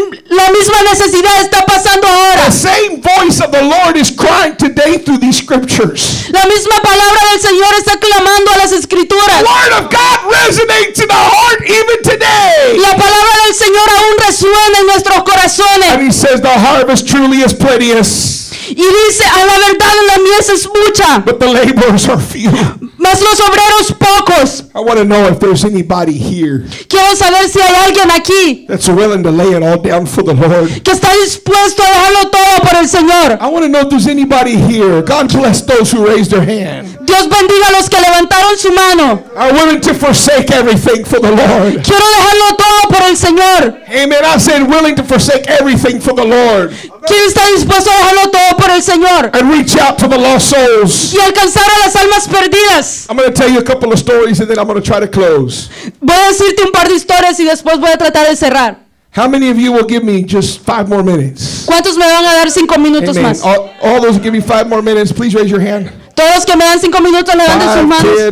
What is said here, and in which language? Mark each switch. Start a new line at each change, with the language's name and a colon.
Spanish: La misma necesidad está pasando ahora.
English: The same voice of the Lord is crying today through these scriptures.
Spanish: La misma palabra del Señor está clamando a las escrituras.
English: The word of God resonates in our heart even today.
Spanish: La palabra del Señor aún resuena en nuestros corazones.
English: And he says the harvest truly is plenteous.
Spanish: Y dice, a la verdad la mies es mucha.
English: But the laborers are few.
Spanish: Mas los obreros pocos.
English: I want to know if there's anybody here.
Spanish: Quiero saber si hay alguien aquí.
English: That's willing to lay it all down for the Lord.
Spanish: Que está dispuesto a dejarlo todo por el Señor.
English: I want to know if there's anybody here. God bless those who raised their hand.
Spanish: Dios bendiga a los que levantaron su mano.
English: I'm willing to forsake everything for the Lord.
Spanish: Quiero dejarlo todo por el Señor.
English: Amen. I said willing to forsake everything for the Lord.
Spanish: ¿Quién está dispuesto a dejarlo todo por el Señor?
English: And reach out to the lost souls.
Spanish: Y alcanzar a las almas perdidas.
English: I'm going to tell you a couple of stories and then I'm going to try to close.
Spanish: Voy a decirte un par de historias y después voy a tratar de cerrar.
English: How many of you will give me just 5 more minutes?
Spanish: ¿Cuántos me van a dar 5 minutos
English: Amen.
Spanish: Más?
English: All those who give me 5 more minutes, please raise your hand.
Spanish: Todos que me dan 5 minutos levanten sus manos.